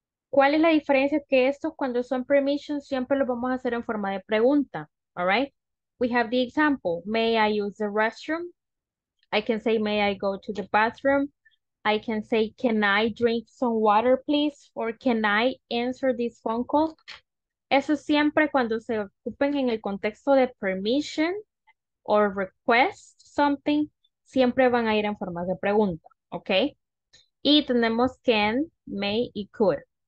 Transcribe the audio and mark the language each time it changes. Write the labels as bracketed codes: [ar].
[es] ¿Cuál es la diferencia que estos cuando son permission siempre los vamos a hacer en forma de pregunta? [en] All right? We have the example. May I use the restroom? I can say, may I go to the bathroom? I can say, can I drink some water, please? Or can I answer this phone call? [es] Eso siempre cuando se ocupen en el contexto de permission [en] or request something, [es] siempre van a ir en forma de pregunta. Okay? Y tenemos can, may, y could.